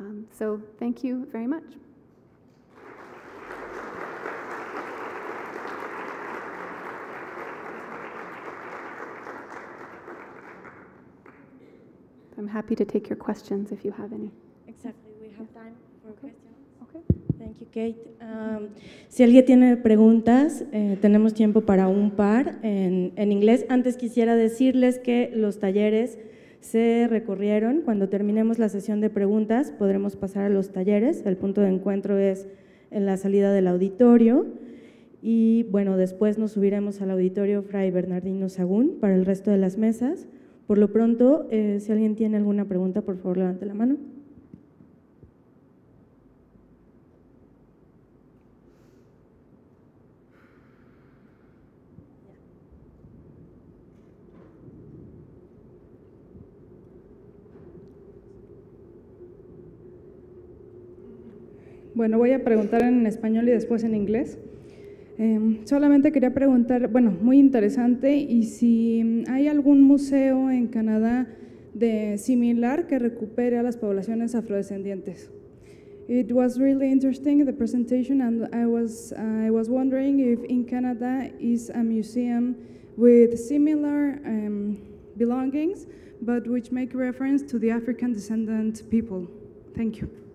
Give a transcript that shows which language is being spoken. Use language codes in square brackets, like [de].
[en] So thank you very much. I'm happy to take your questions if you have any. Exactly, we have time for questions. Okay. Thank you, Kate. [es] Si alguien tiene preguntas, tenemos tiempo para un par en inglés. Antes quisiera decirles que los talleres se recorrieron. Cuando terminemos la sesión de preguntas, podremos pasar a los talleres. El punto de encuentro es en la salida del auditorio. Y bueno, después nos subiremos al auditorio Fray Bernardino Sahagún para el resto de las mesas. Por lo pronto, si alguien tiene alguna pregunta, por favor, levante la mano. Bueno, voy a preguntar en español y después en inglés. Solamente quería preguntar, bueno, muy interesante, y si hay algún museo en Canadá de similar que recupere a las poblaciones afrodescendientes. [en] It was really interesting, the presentation, and I was wondering if in Canada is a museum with similar belongings, but which make reference to the African descendant people. Thank you.